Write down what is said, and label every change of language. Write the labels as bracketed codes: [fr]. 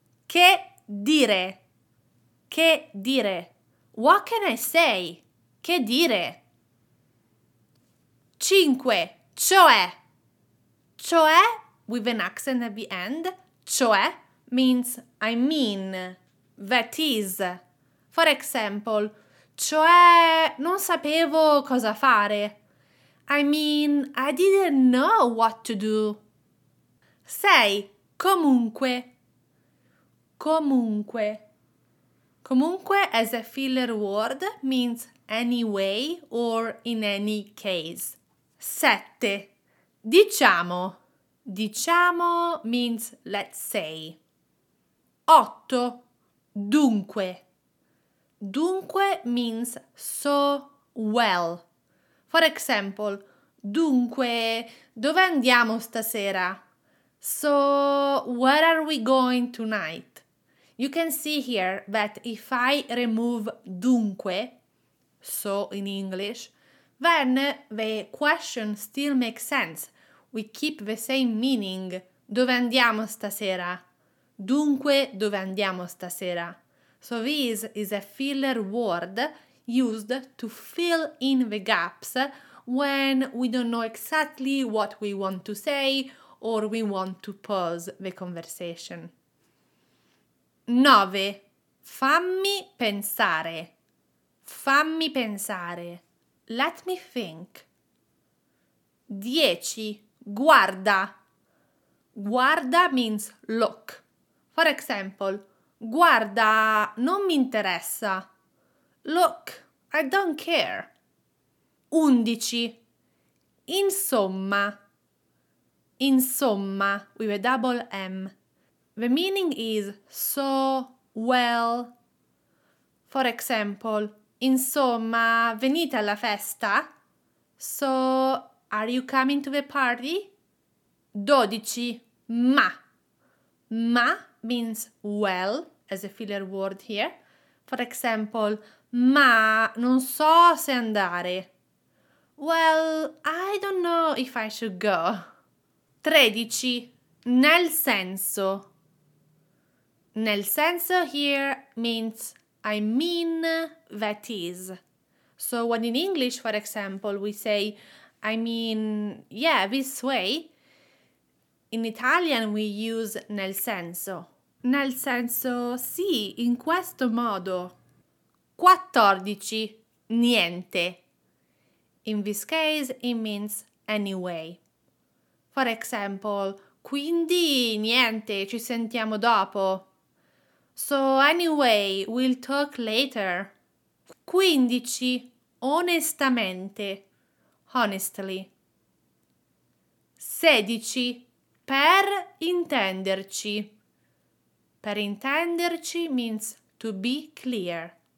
[it] Che dire? Che dire? [en] What can I say? [it] Che dire? Cinque. Cioè. [en] Cioè, with an accent at the end, cioè means I mean, that is. For example, [it] cioè, non sapevo cosa fare. [en] I mean, I didn't know what to do. [it] Sei, comunque. [en] Comunque. Comunque, as a filler word, means anyway or in any case. [it] Sette. Diciamo. [en] Diciamo means let's say. [it] Otto. Dunque. [en] Dunque means so well. For example, [it] dunque, dove andiamo stasera? [en] So, where are we going tonight? You can see here that if I remove dunque, so in English, then the question still makes sense. We keep the same meaning. [it] Dove andiamo stasera? Dunque, dove andiamo stasera? [en] So this is a filler word used to fill in the gaps when we don't know exactly what we want to say or we want to pause the conversation. [it] 9. Fammi pensare. Fammi pensare. [en] Let me think. 10. Guarda. Guarda means look. For example, [it] guarda, non mi interessa. [en] Look, I don't care. 11. [it] Insomma. Insomma, with a double M. [en] The meaning is so, well. For example, [it] insomma, venite alla festa? [en] So, are you coming to the party? 12. [it] Ma. [en] Ma means well, as a filler word here. For example, [it] ma, non so se andare. [en] Well, I don't know if I should go. 13. [it] Nel senso. Nel senso [en] here means I mean that is. So when in English, for example, we say I mean, yeah, this way, in Italian we use nel senso. [it] Nel senso, sì, in questo modo. 14. Niente. [en] In this case, it means anyway. For example, [it] quindi niente, ci sentiamo dopo. [en] So anyway, we'll talk later. 15. [it] Onestamente. [en] Honestly. [it] 16. Per intenderci. [en] Per intenderci means to be clear.